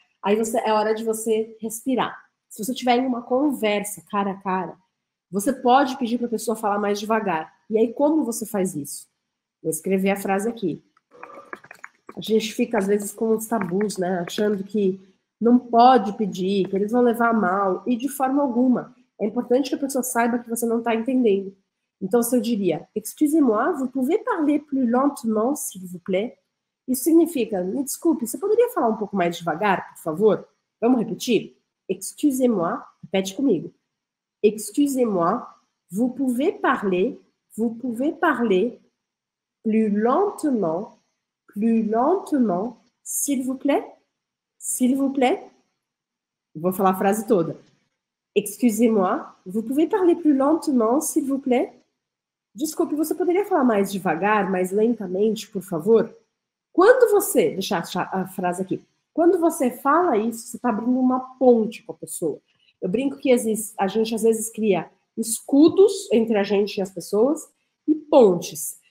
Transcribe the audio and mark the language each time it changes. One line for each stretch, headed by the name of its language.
Portuguese: Aí é hora de você respirar. Se você tiver em uma conversa cara a cara, você pode pedir para a pessoa falar mais devagar. E aí, como você faz isso? Vou escrever a frase aqui. A gente fica, às vezes, com uns tabus, né? Achando que não pode pedir, que eles vão levar mal. E de forma alguma. É importante que a pessoa saiba que você não está entendendo. Então, se eu diria,
French: Excusez-moi, vous pouvez parler plus lentement, s'il vous plaît?
Portuguese: Isso significa, me desculpe, você poderia falar um pouco mais devagar, por favor? Vamos repetir?
French: Excusez-moi,
Portuguese: repete comigo.
French: Excusez-moi, vous pouvez parler plus lentement, s'il vous plaît? S'il vous plaît?
Portuguese: Vou falar a frase toda.
French: Excusez-moi, vous pouvez parler plus lentement, s'il vous plaît?
Portuguese: Desculpe, você poderia falar mais devagar, mais lentamente, por favor? Quando você, deixa a frase aqui. Quando você fala isso, você está abrindo uma ponte com a pessoa. Eu brinco que a gente às vezes cria escudos entre a gente e as pessoas e pontes.